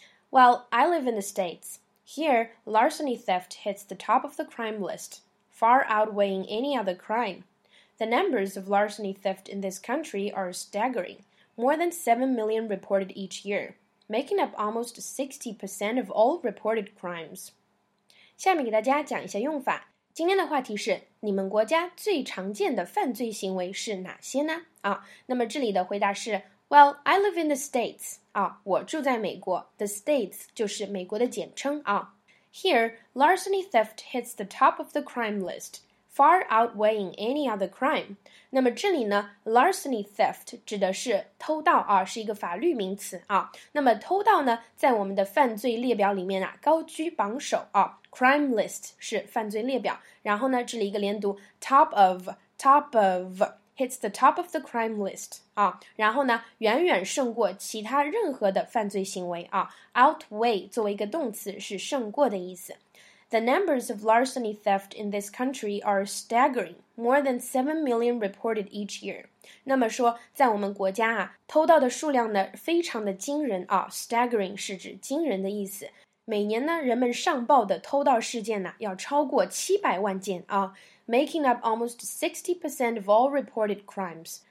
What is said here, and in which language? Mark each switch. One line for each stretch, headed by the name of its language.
English: Well, I live in the States. Here, larceny theft hits the top of the crime list, far outweighing any other crime. The numbers of larceny theft in this country are staggering, more than 7 million reported each year, making up almost 60% of all reported crimes.
Chinese: 下面给大家讲一下用法。今天的话题是你们国家最常见的犯罪行为是哪些呢？啊，那么这里的回答是
English: Well, I live in the States.
Chinese: 啊，我住在美国。The States 就是美国的简称啊。
English: Here, larceny theft hits the top of the crime list, far outweighing any other crime.
Chinese: 那么这里呢 ，larceny theft 指的是偷盗啊，是一个法律名词啊。那么偷盗呢，在我们的犯罪列表里面啊，高居榜首啊。 Crime list 是犯罪列表，然后呢，这里一个连读
English: top of hits the top of the crime list
Chinese: 啊，然后呢，远远胜过其他任何的犯罪行为啊。 Outweigh 作为一个动词是胜过的意思。
English: The numbers of larceny theft in this country are staggering, more than 7 million reported each year.
Chinese: 那么说，在我们国家啊，偷盗的数量呢，非常的惊人啊。 Staggering 是指惊人的意思。每年呢，人们上报的偷盗事件呢，要超过700万件啊 ，
English: making up almost 60% of all reported crimes。